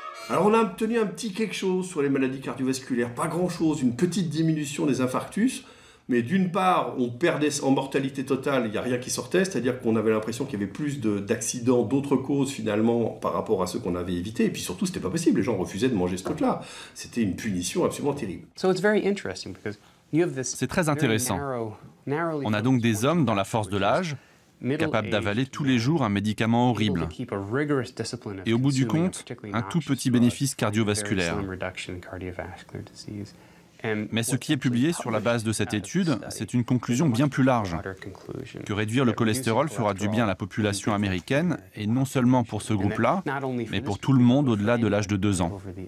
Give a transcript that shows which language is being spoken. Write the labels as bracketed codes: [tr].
[fr] Alors on a obtenu un petit quelque chose sur les maladies cardiovasculaires, pas grand chose, une petite diminution des infarctus, mais d'une part on perdait en mortalité totale, il n'y a rien qui sortait, c'est-à-dire qu'on avait l'impression qu'il y avait plus d'accidents d'autres causes finalement par rapport à ceux qu'on avait évités, et puis surtout c'était pas possible, les gens refusaient de manger ce truc-là, c'était une punition absolument terrible. [en] So it's very interesting because you have this... [fr] C'est très intéressant, on a donc des hommes dans la force de l'âge, capable d'avaler tous les jours un médicament horrible et au bout du compte, un tout petit bénéfice cardiovasculaire. Mais ce qui est publié sur la base de cette étude, c'est une conclusion bien plus large, que réduire le cholestérol fera du bien à la population américaine et non seulement pour ce groupe-là, mais pour tout le monde au-delà de l'âge de 2 ans.